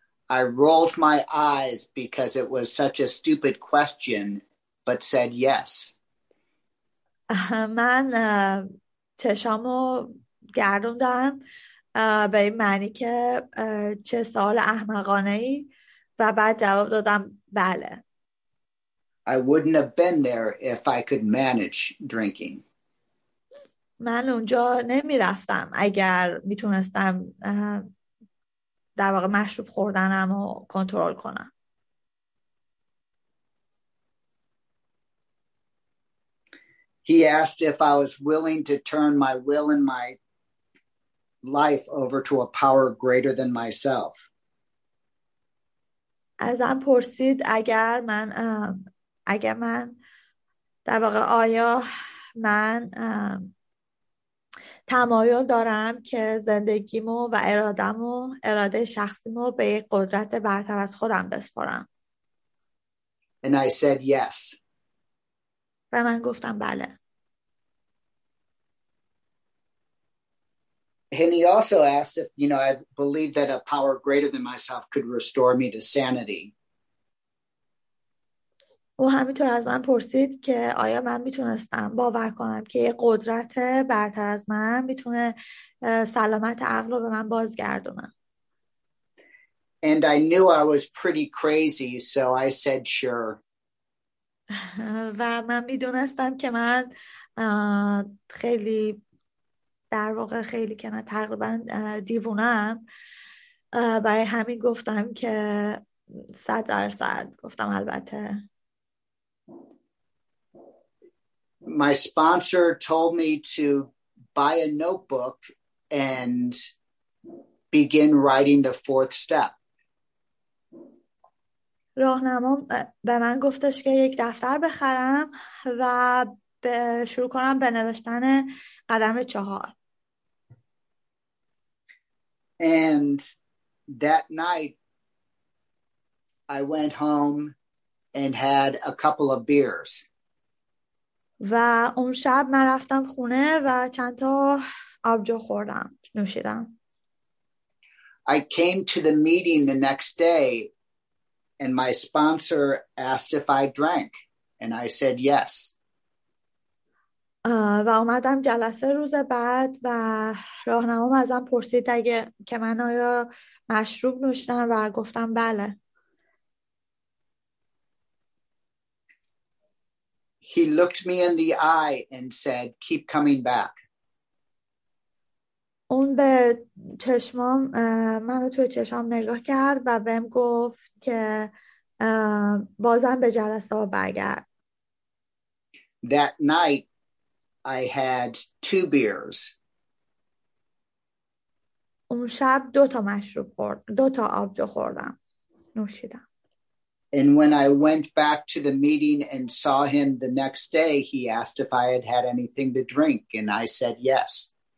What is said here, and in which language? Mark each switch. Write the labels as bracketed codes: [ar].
[en] I rolled my eyes because it was such a stupid question, but said yes. [fa] من چشامو گردوندم به این معنی که چه سوال احمقانه ای و بعد جواب دادم بله. [en] I wouldn't have been there if I could manage drinking. [fa] من اونجا نمی رفتم اگر می تونستم در واقع مشروب خوردنم رو کنترل کنم. [en] He asked if I was willing to turn my will and my life over to a power greater than myself. [fa] ازم پرسید اگر من در واقع آیا من تمایل دارم که زندگیمو و ارادمو اراده شخصیمو به یک قدرت برتر از خودم بسپارم. [en] And I said yes. [fa] و من گفتم بله. [en] And he also asked if, you know, I believe that a power greater than myself could restore me to sanity. [fa] و همینطور از من پرسید که آیا من میتونستم باور کنم که یه قدرت برتر از من میتونه سلامت عقل رو به من بازگردونه. [en] And I knew I was pretty crazy, so I said sure. [fa] و من میدونستم که من خیلی در واقع خیلی که من تقریبا دیوونم، برای همین گفتم که 100% گفتم البته. [en] My sponsor told me to buy a notebook and begin writing the fourth step. [fa] راهنما به من گفتش که یک دفتر بخرم و شروع کنم به نوشتن قدم چهار. [en] And that night I went home and had a couple of beers. [fa] و اون شب من رفتم خونه و چند تا آبجو خوردم، نوشیدم. [en] I came to the meeting the next day and my sponsor asked if I drank and I said yes. [fa] و اومدم جلسه روز بعد و راهنمام ازم پرسید اگه که من آیا مشروب نوشیدم و گفتم بله. [en] He looked me in the eye and said, keep coming back. [fa] اون به چشمام منو توی چشمام نگاه کرد و بهم گفت که بازم به جلسه برگرد. [en] That night I had two beers. [fa] اون شب دو تا مشروب خوردم، دو تا آبجو خوردم، نوشیدم. [en] And when I went back to the meeting and saw him the next day, he asked if I had had anything to drink, and I said yes.